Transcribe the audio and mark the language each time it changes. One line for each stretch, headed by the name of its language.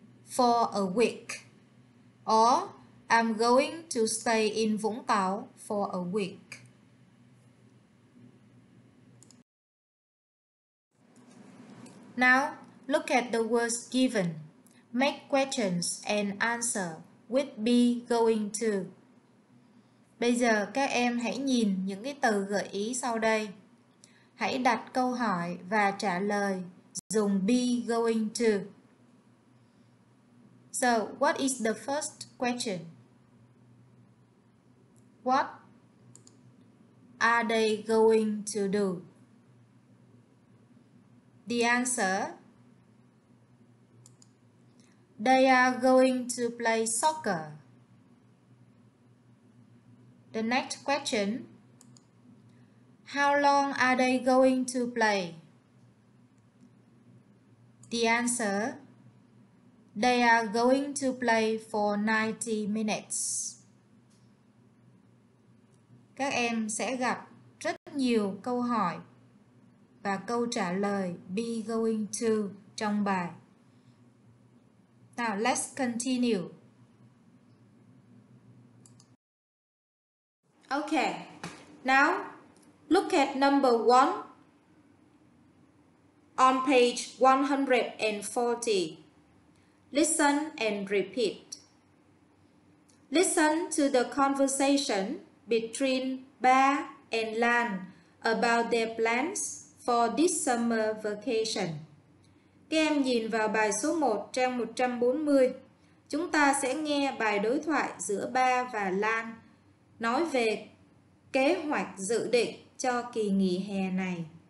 English: For a week. Or I'm going to stay in Vũng Tàu for a week. Now, look at the words given. Make questions and answer with be going to.
Vietnamese: Bây giờ các em hãy nhìn những cái từ gợi ý sau đây. Hãy đặt câu hỏi và trả lời dùng be going to.
English: So, what is the first question? What are they going to do? The answer: they are going to play soccer. The next question: how long are they going to play? The answer: they are going to play for 90 minutes.
Vietnamese: Các em sẽ gặp rất nhiều câu hỏi và câu trả lời be going to trong bài.
English: Now, let's continue. Okay, now look at number 1 on page 140. Listen and repeat. Listen to the conversation between Ba and Lan about their plans for this summer vacation.
Vietnamese: Các em nhìn vào bài số 1 trang 140. Chúng ta sẽ nghe bài đối thoại giữa Ba và Lan nói về kế hoạch dự định cho kỳ nghỉ hè này.